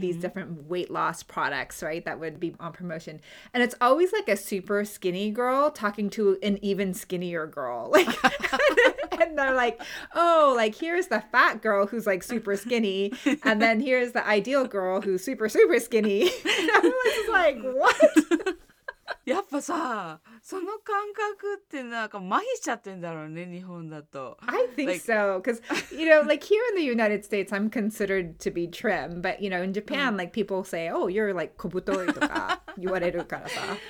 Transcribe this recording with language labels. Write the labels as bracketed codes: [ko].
[en] these different weight loss products, right, that would be on promotion. And it's always like a super skinny girl talking to an even skinnier girl. Like, and they're like, oh, like here's the fat girl who's like super skinny. And then here's the ideal girl who's super, super skinny. Everyone's like, what? [ja] やっぱさ、その感覚ってなんか麻痺しちゃってんだろうね、日本だと。 [en] I think like, so, because, you know, like here in the United States, I'm considered to be trim, but, you know, in Japan, like people say, oh, you're like 小太いとか言われるからさ。